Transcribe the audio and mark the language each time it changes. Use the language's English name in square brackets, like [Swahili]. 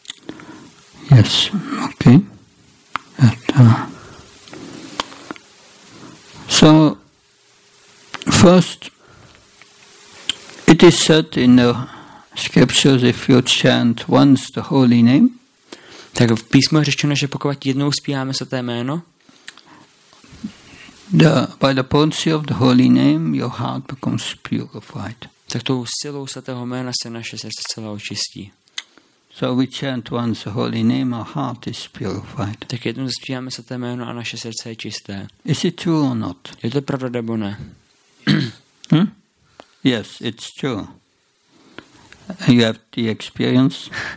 [English] Name. Yes, okay. So, first, it is said in the scriptures, if you chant once the holy name, [Czech] Tak v písmu je řečeno, že pokud jednou zpíváme svaté jméno, [English] the, by the potency of the holy name, your heart becomes purified. [Czech] Tak tou silou svatého jména se naše srdce celé očistí. [English] So we chant once the holy name, our heart is purified. [Czech] Tak jednou zpíváme svaté jméno a naše srdce je čisté. [English] Is it true or not? [Czech] Je to pravda nebo ne? [English] Yes, it's true. You have the experience?